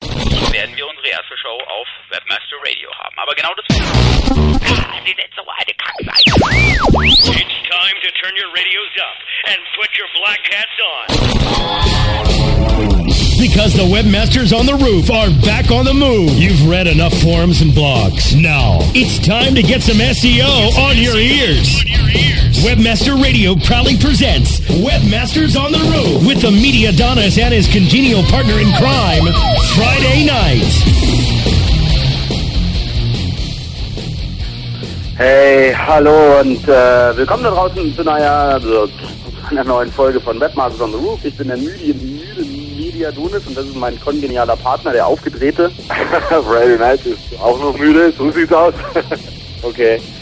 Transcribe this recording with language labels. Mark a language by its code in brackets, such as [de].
[de] werden wir unsere erste Show auf Webmaster Radio haben. Aber genau das. [en] It's time to turn your radios up and put your black hats on. Because the webmasters on the roof are back on the move. You've read enough forums and blogs. Now, it's time to get some SEO on your ears. Webmaster Radio proudly presents Webmasters on the Roof with the media Donis and his congenial partner in crime, Friday Night. [de] Hey, hallo und willkommen da draußen zu einer neuen Folge von Webmasters on the Roof. Ich bin der müde Media Donis und das ist mein kongenialer Partner, der aufgedrehte. Friday Night ist auch noch müde, so sieht's aus. Okay.